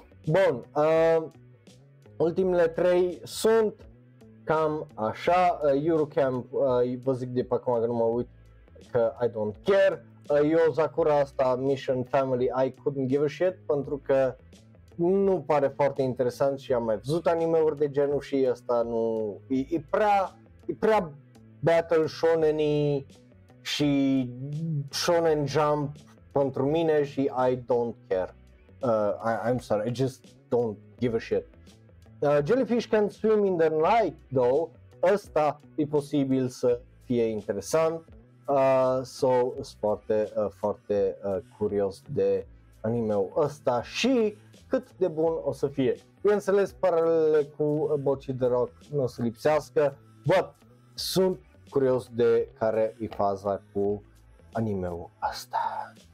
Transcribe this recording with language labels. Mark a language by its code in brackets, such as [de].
[ro] Bun, ultimele trei sunt cam așa, Eurocamp, vă zic de pe acum că nu mă uit, că [en] I don't care, [ro] Yozakura asta, Mission Family, [en] I couldn't give a shit, [ro] pentru că nu pare foarte interesant și am mai văzut anime-uri de genul și ăsta nu, e prea battle shonen-y și shonen jump pentru mine și [en] I don't care. I'm sorry, I just don't give a shit. Jellyfish can swim in the night, though. [ro] Ăsta e posibil să fie interesant. So, foarte, foarte curios de anime-ul ăsta și cât de bun o să fie. Bineînțeles, paralele cu Boci de Rock nu o să lipsească, but sunt curios de care e faza cu anime-ul ăsta.